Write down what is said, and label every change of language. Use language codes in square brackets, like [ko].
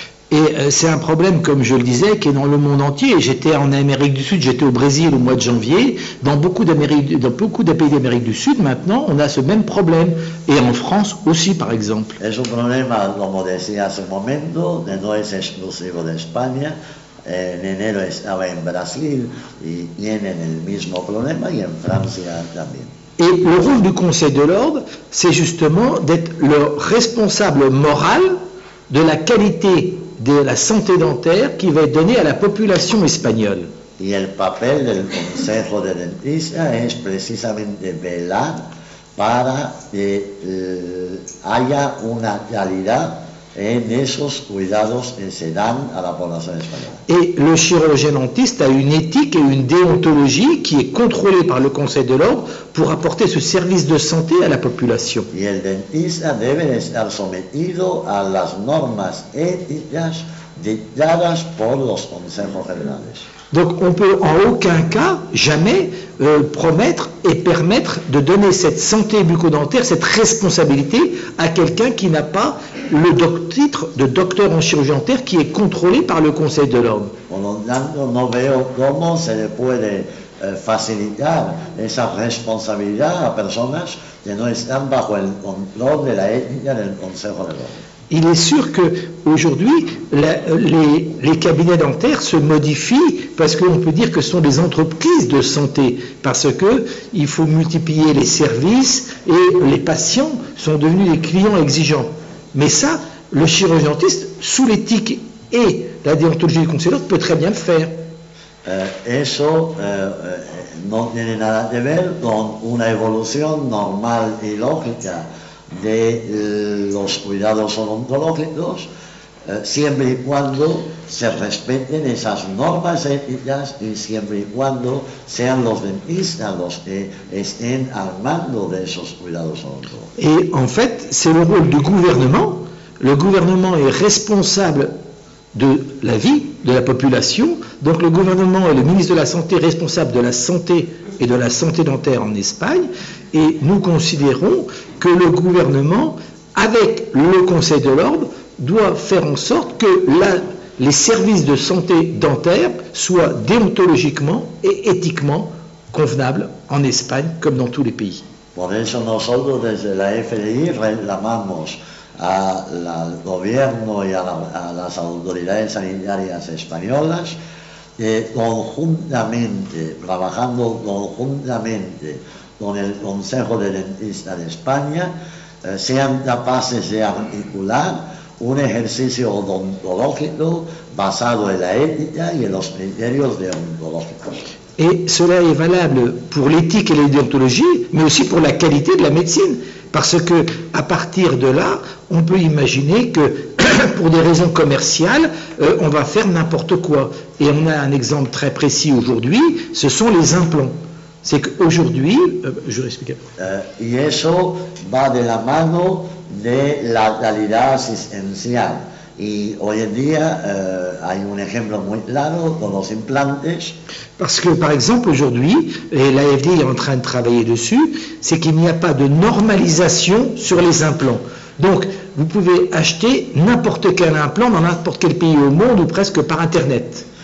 [fr] Et c'est un problème, comme je le disais, qui est dans le monde entier. J'étais en Amérique du Sud, j'étais au Brésil au mois de janvier. Dans beaucoup de pays d'Amérique du Sud, maintenant, on a ce même problème. Et en France aussi, par exemple. C'est un problème, comme je disais à ce moment, de ne pas être exclusif d'Espagne. [es] En enero estaba en Brasil y tienen el mismo problema y en Francia también. [fr] Et le rôle du Conseil de l'Ordre, c'est justement d'être le responsable moral de la qualité de la santé dentaire qui va être donnée à la population espagnole. Et le papel du Conseil de dentista est précisément de [es] velar para que haya una calidad en esos cuidados que se dan a la población española. [fr] Et le chirurgien dentiste a une éthique et une déontologie qui est contrôlée par le Conseil de l'Ordre pour apporter ce service de santé à la population. [es] Y el dentista debe estar sometido a las normas éticas dictadas por los consejos generales. [fr] Donc on peut en aucun cas, jamais, promettre et permettre de donner cette santé bucco-dentaire, cette responsabilité à quelqu'un qui n'a pas le titre de docteur en chirurgie dentaire qui est contrôlé par le Conseil de l'Ordre. [es] Por lo tanto, no veo cómo se le puede facilitar esa responsabilidad a personas que no están bajo el control de la ética del Consejo de l'Ordre. [fr] Il est sûr que aujourd'hui les cabinets dentaires se modifient parce qu'on peut dire que ce sont des entreprises de santé parce que il faut multiplier les services et les patients sont devenus des clients exigeants. Mais ça, le chirurgien dentiste, sous l'éthique et la déontologie du conseil d'ordre, peut très bien le faire. [es] Eso no tiene nada que ver con una evolución normal y lógica de los cuidados odontológicos, siempre y cuando se respeten esas normas éticas y siempre y cuando sean los dentistas los que estén al mando de esos cuidados odontológicos. [fr] Y en fait, c'est le rôle du gouvernement. Le gouvernement est responsable de la vie de la population. Donc le gouvernement est le ministre de la Santé responsable de la santé et de la santé dentaire en Espagne. Et nous considérons que le gouvernement, avec le Conseil de l'Ordre, doit faire en sorte que les services de santé dentaire soient déontologiquement et éthiquement convenables en Espagne comme dans tous les pays. [es] Por eso nosotros desde la FDI reclamamos al gobierno y a las autoridades sanitarias españolas que conjuntamente, trabajando conjuntamente con el Consejo de Dentistas de España, sean capaces de articular un ejercicio odontológico basado en la ética y en los criterios deontológicos. [fr] Et cela est valable pour l'éthique et l'odontologie, mais aussi pour la qualité de la médecine. Parce que, à partir de là, on peut imaginer que, pour des raisons commerciales, on va faire n'importe quoi. Et on a un exemple très précis aujourd'hui, ce sont les implants. C'est qu'aujourd'hui, je vais expliquer. [es] Y eso va de la mano de la calidad asistencial. Y hoy en día hay un ejemplo muy claro con los implantes. [fr] Parce que, par exemple, aujourd'hui, et la FDI est en train de travailler dessus, c'est qu'il n'y a pas de normalisation sur les implants. Donc, vous pouvez acheter n'importe quel implant dans n'importe quel pays au monde ou presque par Internet.